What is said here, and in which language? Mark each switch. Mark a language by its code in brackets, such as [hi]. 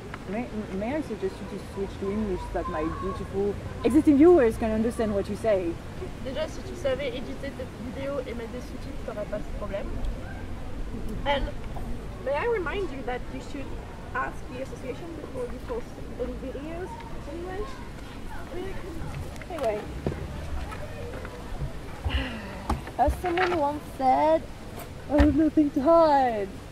[en] May I suggest you to switch to English so that my beautiful existing viewers can understand what you say? [fr] Déjà, si tu savais éditer cette vidéo et mettre des sous-titres, t'aurais pas ce problème. [en] And may I remind you that you should ask the association before you post any videos in English? Anyway. As someone once said, I have nothing to hide.